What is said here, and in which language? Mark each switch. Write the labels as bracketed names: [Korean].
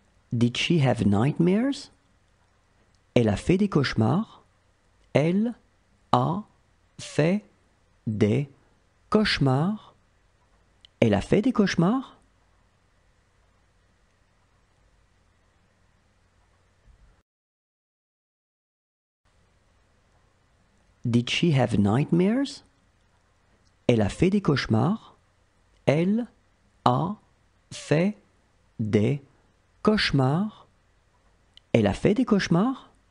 [English] Did she have nightmares? [French] Elle a fait des cauchemars. Elle a fait des cauchemars. Elle a fait des cauchemars. [English] Did she have nightmares? [French] Elle a fait des cauchemars. Elle a fait des cauchemar. Elle a fait des cauchemars.